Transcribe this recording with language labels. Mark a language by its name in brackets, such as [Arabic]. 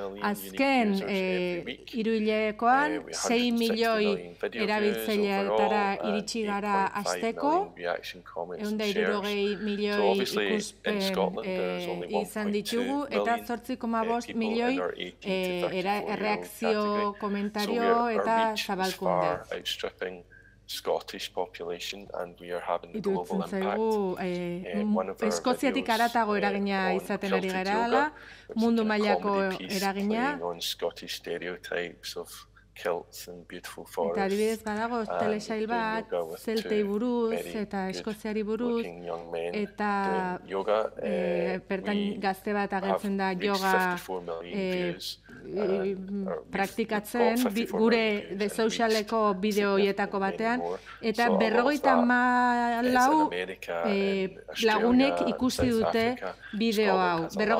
[Basque] Azken hiruhilekoan 6 milioi erabiltzaileetara iritsi gara asteko, 160 milioi ikuspen izan ditugu, eta 8,5 milioi erreakzio komentario eta zabalkunde. [English] Scottish population and we are having the global impact. [Basque] Eskoziatik haratago eragina izaten ari garela, mundu mailako eragina. [English] Scottish stereotypes of kilts and beautiful forests. [Basque] Eta adibidez badago telesail bat zeltei buruz eta eskoziari buruz eta yoga bertan gazte bat agertzen da yoga praktikatzen gure de socialeko bideo hoietako batean eta 54 lagunek ikusi dute bideo hau.